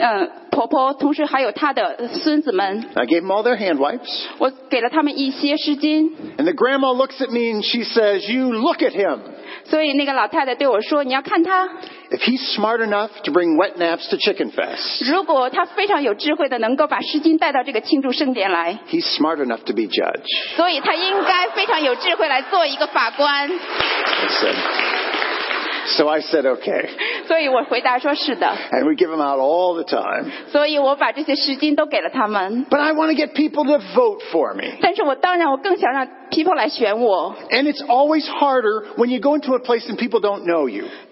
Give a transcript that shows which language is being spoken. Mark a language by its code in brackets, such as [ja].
[zh] 所以我到了一张桌子，那里边有一个婆婆，同时还有她的孙子们。 [en] I gave them all their hand wipes. [zh] 我给了他们一些湿巾。 [en] And the grandma looks at me and she says, "You look at him." [zh] 所以那个老太太对我说，你要看他。 [en] If he's smart enough to bring wet naps to Chicken Fest, [zh] 如果他非常有智慧的能够把湿巾带到这个庆祝盛典来, [en] he's smart enough to be judge. [zh] 所以他应该非常有智慧来做一个法官。 [en] So I said, okay. [zh] 所以我回答说是的。 [en] And we give them out all the time. [zh] 所以我把这些湿巾都给了他们。 [en] But I want to get people to vote for me. [zh] 但是我当然我更想让 people 来选我。 [en] And it's always harder when you go into a place and people don't know you.